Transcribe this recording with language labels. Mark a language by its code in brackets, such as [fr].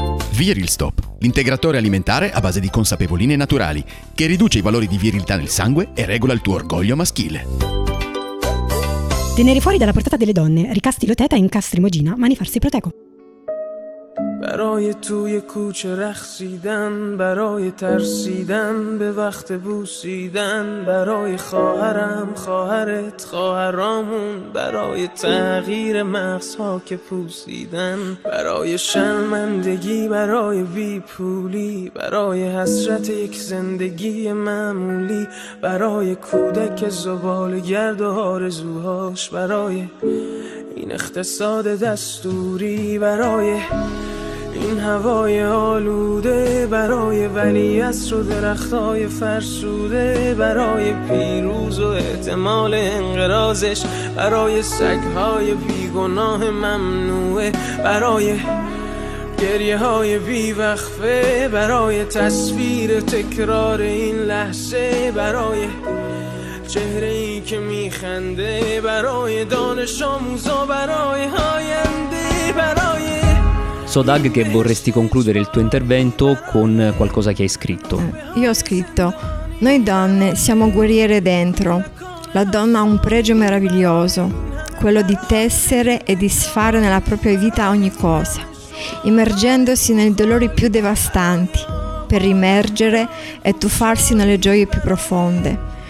[it] Viristop, l'integratore alimentare a base di consapevoline naturali, che riduce i valori di virilità nel sangue e regola il tuo orgoglio maschile. Tenere fuori dalla portata delle donne, ricasti loteta in castri mogina, mani farsi proteco. [fa] برای توی کوچه رخصیدن، برای ترسیدن به وقت بوسیدن، برای خواهرم، خواهرت، خواهرامون، برای تغییر مغزها که پوسیدن، برای شرمندگی، برای بیپولی، برای حسرت یک زندگی معمولی، برای کودک زبال گرد و آرزوهاش، برای این اقتصاد دستوری، برای این هوای آلوده، برای ولی عصر و درختای فرسوده، برای پیروز و احتمال انقراضش، برای سگهای بیگناه ممنوعه، برای گریه های بیوقفه، برای تصویر تکرار این لحظه، برای چهره ای که میخنده، برای دانش آموزا، برای آینده، برای. [it] So, Doug, che vorresti concludere il tuo intervento con qualcosa che hai scritto. Io ho scritto: noi donne siamo guerriere dentro. La donna ha un pregio meraviglioso, quello di tessere e disfare nella propria vita ogni cosa, immergendosi nei dolori più devastanti per rimergere e tuffarsi nelle gioie più profonde.